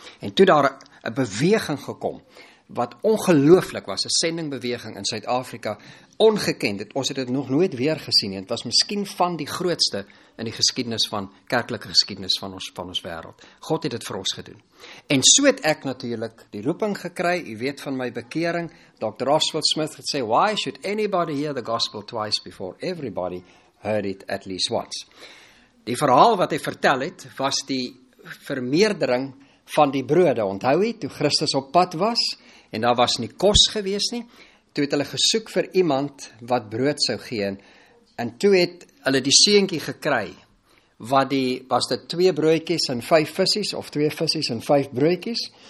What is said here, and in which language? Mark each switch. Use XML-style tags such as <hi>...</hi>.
<af>En toe daar 'n beweging gekom wat ongelooflik was, 'n sendingbeweging in Suid-Afrika, ongekend het, ons het dit nog nooit weer gesien nie, het was miskien van die grootste in die geskiedenis van, kerklike geskiedenis van ons wêreld. God het dit vir ons gedoen. En so het ek natuurlik die roeping gekry, u weet van my bekering, Dr.</af> <en>Oswald Smith</en> <af>het sê,</af> <en>why should anybody hear the gospel twice before everybody heard it at least once?</en> <af>Die verhaal wat hy vertel het, was die vermeerdering van die brode, onthou hy, toe Christus op pad was, en daar was nie kos gewees nie, toe het hulle gesoek vir iemand wat brood sou gee, en toe het hulle die seentjie gekry, wat die, was dit 2 broodjies en 5 visies, of 2 visies en 5 broodjies,</af>